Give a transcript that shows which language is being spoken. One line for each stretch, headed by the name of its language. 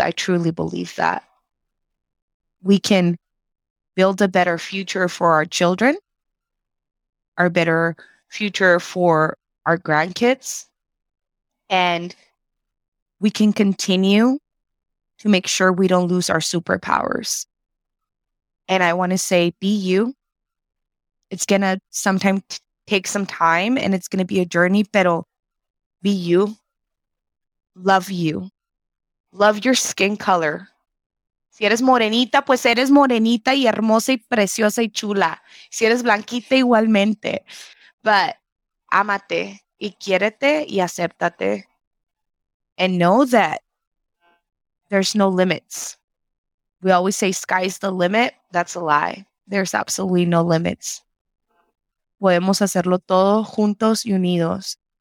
English: I truly believe that. We can build a better future for our children, our better future for our grandkids, and we can continue to make sure we don't lose our superpowers. And I want to say, be you. It's going to sometimes take some time and it's going to be a journey, pero be you. Love you. Love your skin color.
Spanish: Si eres morenita, pues eres morenita y hermosa y preciosa y chula. Si eres blanquita, igualmente. But amate. Y quiérete y acéptate.
English: And know that there's no limits. We always say sky's the limit. That's a lie. There's absolutely no limits.
Spanish: Podemos hacerlo todo juntos y unidos.